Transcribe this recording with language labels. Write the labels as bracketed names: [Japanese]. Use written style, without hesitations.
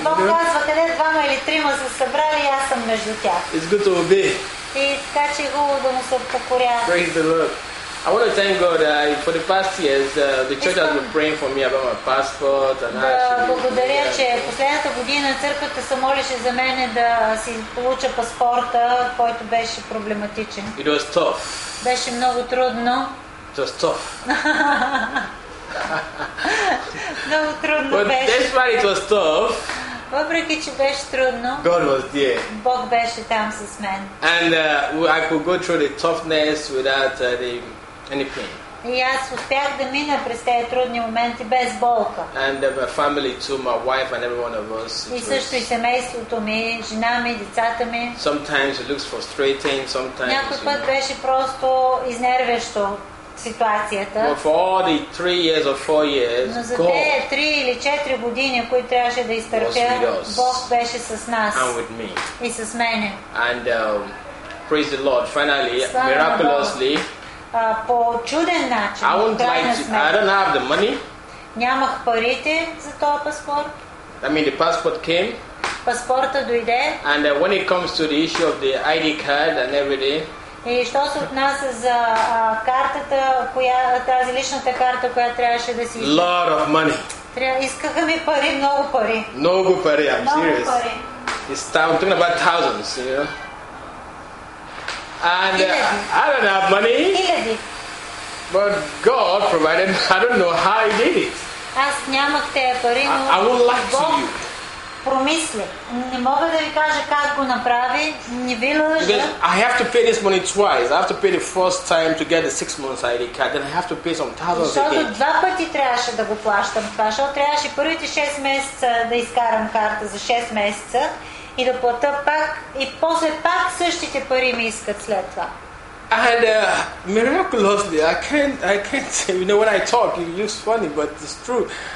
[Bulgarian] Бог казва, къде двама или трима са събрали, аз съм между тях. [English] It's good to be. [Bulgarian] И така че е хубаво да му се покоря. [English] Praise the Lord. I want to thank God for the past years the church has been praying for me about my passport and [Bulgarian] I благодаря, че последната година църквата се молеше за мен да си получа паспорта, който беше проблематичен. [English] It was tough. [Bulgarian] Беше много трудно. [English] It was tough. [Bulgarian] Много трудно беше. [English] That's why it was tough. [Bulgarian] Въпреки че беше трудно, [English] God was there. [Bulgarian] Бог беше там с мен. [English] And I could go through the toughness without any pain. [Bulgarian] И аз успях да мина през тези трудни моменти без болка. [English] And my family too, my wife and every one of us. [Bulgarian] И също и семейството ми, жена ми, децата ми. [English] Sometimes it looks frustrating, sometimes. [Bulgarian] Някой път беше просто изнервящо. Ситуацията. [English] But for all the 3 years or 4 years, God was with us and with me. [Bulgarian] И с мене. [English] And praise the Lord. Finally, Слава miraculously, [Bulgarian] по чуден начин, [English] I won't like to, I don't have the money. [Bulgarian] Нямах парите за този паспорт. [English] I mean, the passport came. [Bulgarian] Паспорта дойде. [English] And when it comes to the issue of the ID card and everything. [Bulgarian] И що се отнася за картата, тази личната карта, която трябваше да си [English] изпълни. Lot of money. [Bulgarian] Искаха ми пари, много пари. Много пари, [English] I'm serious. It's time, talking about thousands, you know. And I don't have money. [Bulgarian] Хиляди. [English] But God provided, I don't know how he did it. [Bulgarian] Аз нямах тези пари, но [English] I would like to you. [Bulgarian] Промисли. Не мога да ви кажа как го направи. Не ви лъжа. [English] I have to pay this money twice. I have to pay the first time to get the 6 months ID card. Then I have to pay some thousands again. [Bulgarian] Защото два пъти трябваше да го плащам това. Защото трябваше първите 6 месеца да изкарам карта за 6 месеца и да плата пак. И после пак същите пари ми искат след това. [English] And miraculously, I can't say, you know, when I talk, it looks funny, but it's true.